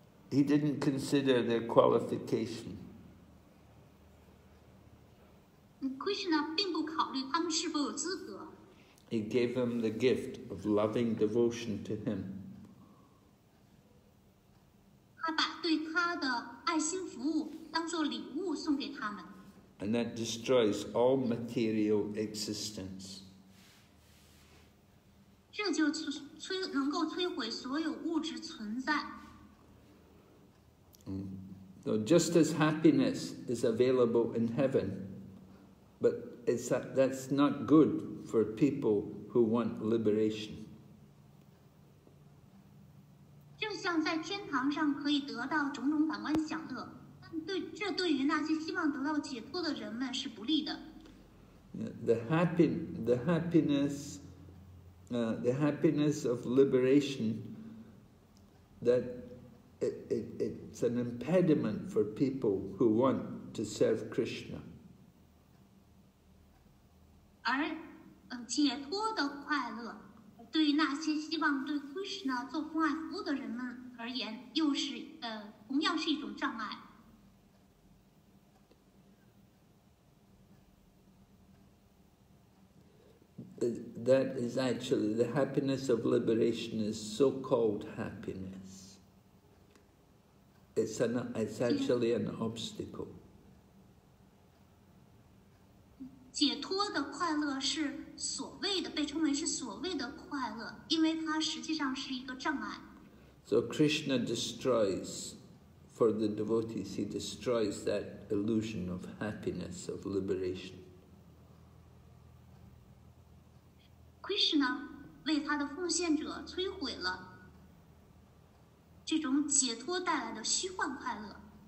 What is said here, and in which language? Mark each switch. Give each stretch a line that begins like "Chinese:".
English: He didn't consider their qualification.
Chinese: Krishna 并不考虑他们是否有资格。
English: He gave them the gift of loving devotion to him.
Chinese: 他把对他的爱心服务当作礼物送给他们。
English: And that destroys all material existence.
Chinese: 这就能够摧毁所有物质存在。
English: So just as happiness is available in heaven, but that's not good for people who want liberation.
Chinese: 就像在天堂上可以得到种种感官享乐。这对于那些希望得到解脱的人们是不利的。
English: The happiness of liberation, that it's an impediment for people who want to serve Krishna.
Chinese: 而解脱的快乐，对于那些希望对 Krishna 做奉爱服务的人们而言，又是同样是一种障碍。
English: That is actually the happiness of liberation is so-called happiness. It's actually an obstacle.
Chinese: 解脱的快乐是所谓的被称为是所谓的快乐，因为它实际上是一个障碍。
English: So Krishna destroys for the devotees. He destroys that illusion of happiness of liberation.
Chinese: Krishna 为他的奉献者摧毁了这种解脱带来的虚幻快乐。